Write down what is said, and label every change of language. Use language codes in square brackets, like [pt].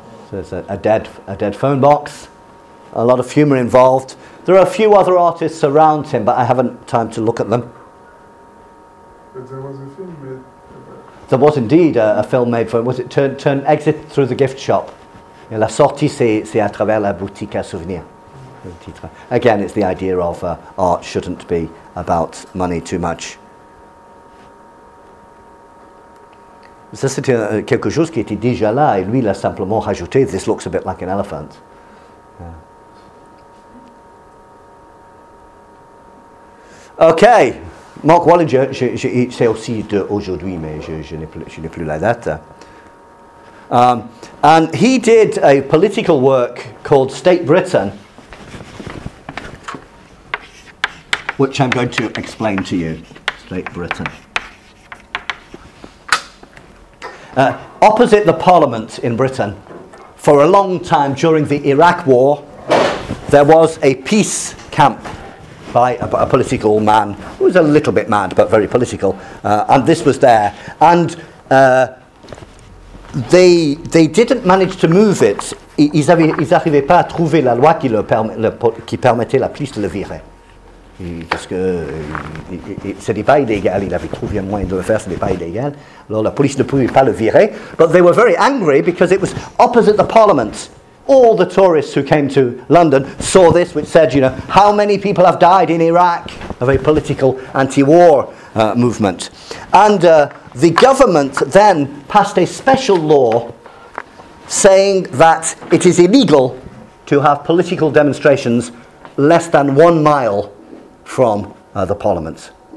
[en] There's a dead phone box. A lot of humour involved. There are a few other artists around him, but I haven't time to look at them. But there was a film made about... There was indeed a film made for him. Was it Turn Exit Through the Gift Shop? [fr] La sortie, c'est à travers la boutique à souvenirs. [en] Again, it's the idea of art shouldn't be about money too much. [fr] Ça, c'était quelque chose qui était déjà là, et lui, il a simplement rajouté, [en] this looks a bit like an elephant. Yeah. OK. [fr] Mark Wallinger, c'est aussi d'aujourd'hui, mais je n'ai plus la date. [en] And he did a political work called State Britain, which I'm going to explain to you, State Britain. Opposite the Parliament in Britain, for a long time during the Iraq War, there was a peace camp by a political man who was a little bit mad, but very political, and this was there. And they didn't manage to move it. [fr] Ils n'arrivaient pas à trouver la loi qui permettait la police de le virer. Parce que ce n'est pas illégal, il avait trouvé un moyen de le faire, ce n'est pas illégal. Alors la police ne pouvait pas le virer. [en] But they were very angry because it was opposite the Parliament. All the tourists who came to London saw this, which said, you know, how many people have died in Iraq of a political anti-war movement. And the government then passed a special law saying that it is illegal to have political demonstrations less than 1 mile from the Parliament.